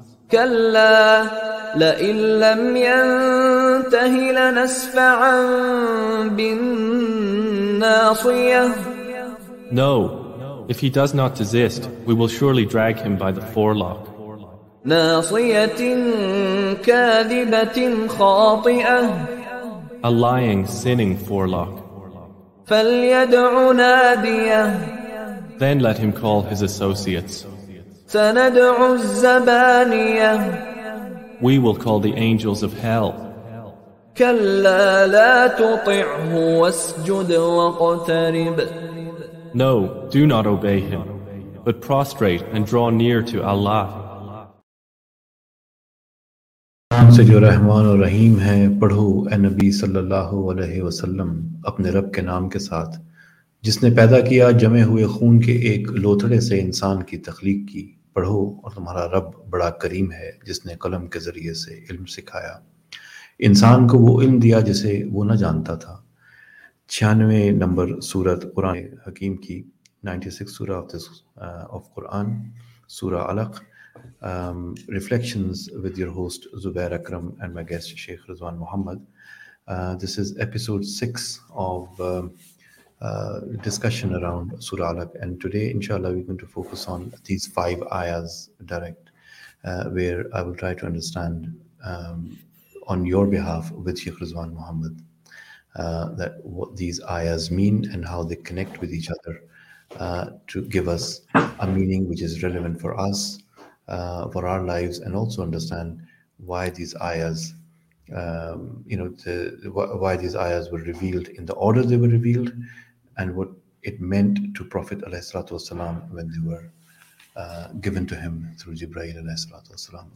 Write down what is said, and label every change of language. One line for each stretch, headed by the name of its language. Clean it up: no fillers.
Arabic: كلا لئن لم ينته لنسفعا بالناصية.
English: No, if he does not desist, we will surely drag him by the forelock.
Arabic: ناصية كاذبة خاطئة.
English: A lying, sinning forelock.
Arabic: فليدع نادية.
English: Then let him call his associates.
Arabic: سندع الزبانية.
English: We will call the angels of hell.
Arabic: كلا لا تطعه واسجد واقترب.
English: No, do not obey him, but prostrate and draw near to Allah.
Urdu: سے جو رحمان و رحیم ہیں پڑھو اے نبی صلی اللہ علیہ وسلم اپنے رب کے نام کے ساتھ جس نے پیدا کیا جمع ہوئے خون کے ایک لوتھڑے سے انسان کی تخلیق کی پڑھو اور تمہارا رب بڑا کریم ہے جس نے قلم کے ذریعے سے علم سکھایا انسان کو وہ علم دیا جسے وہ نہ جانتا تھا 96 نمبر سورۃ قرآن حکیم کی 96 سورہ آف قرآن سورہ علق
English: Reflections with your host Zubair Akram and my guest Sheikh Rizwan Muhammad. This is episode 6 of discussion around Surah Alaq, and today inshallah we're going to focus on these 5 ayahs direct, where I will try to understand on your behalf with Sheikh Rizwan Muhammad that what these ayahs mean and how they connect with each other to give us a meaning which is relevant for us, for our lives, and also understand why these ayahs, why these ayahs were revealed in the order they were revealed, and what it meant to Prophet alayhi salatu wasalam when they were given to him through Jibreel alayhi salatu wasalam.